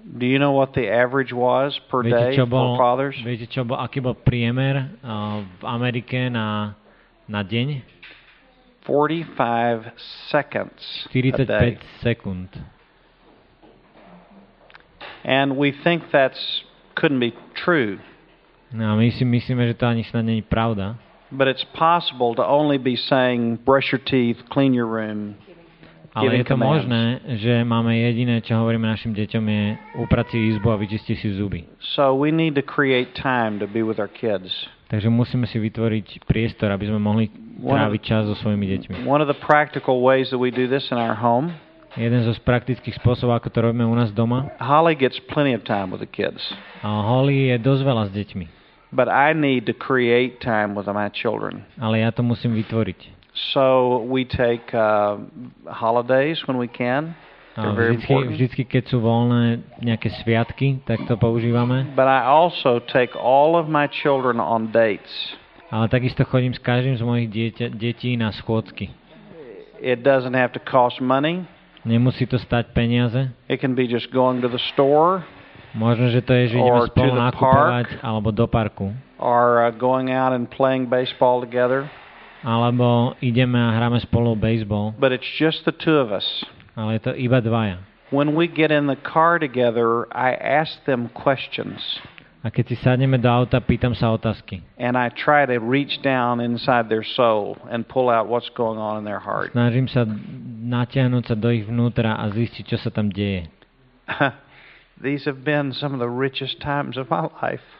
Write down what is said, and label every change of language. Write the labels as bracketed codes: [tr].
[en] Do you know what the average was per day for fathers? [sk] Viete, čo bol, aký bol priemer v Amerike na deň? [en] 45 seconds. [sk] 45 sekúnd. [en] And we think that's couldn't be true. [sk] No, my si myslíme, že to ani snad nie je pravda. [en] But it's possible to only be saying brush your teeth, clean your room. [sk] Ale je to možné, že máme jediné, čo hovoríme našim deťom, je uprať si izbu a vyčistiť si zuby. [en] So we need to create time to be with our kids. [sk] Takže musíme si vytvoriť priestor, aby sme mohli tráviť čas so svojimi deťmi. [en] One of the practical ways that we do this in our home. [sk] Jeden z praktických spôsobov, ako to robíme u nás doma. [en] Holly gets plenty of time with the kids. [sk] A Holly je dosť veľa s deťmi. [en] But I need to create time with my children. [sk] Ale ja to musím vytvoriť. [en] So we take holidays when we can. [sk] Vždycky, keď sú voľné nejaké sviatky, tak to používame. [en] But I also take all of my children on dates. [sk] Ale takisto chodím s každým z mojich detí na schôdzky. [en] It doesn't have to cost money. [sk] Nemusí to stať peniaze. [en] It can be just going to the store. [sk] Možno, že to je, že ideme spolu nakupovať alebo do parku. [en] Or going out and playing baseball together. [sk] Alebo ideme a hráme spolu baseball. [en] But it's just the two of us. [sk] Ale je to iba dvaja. [en] When we get in the car together, I ask them questions. [sk] A keď si sadneme do auta, pýtam sa otázky. [en] And I try to reach down inside their soul and pull out what's going on in their heart. [sk] Snažím sa natiahnuť sa do ich vnútra a zistiť, čo sa tam deje. [en] These have been some of the richest times of my life.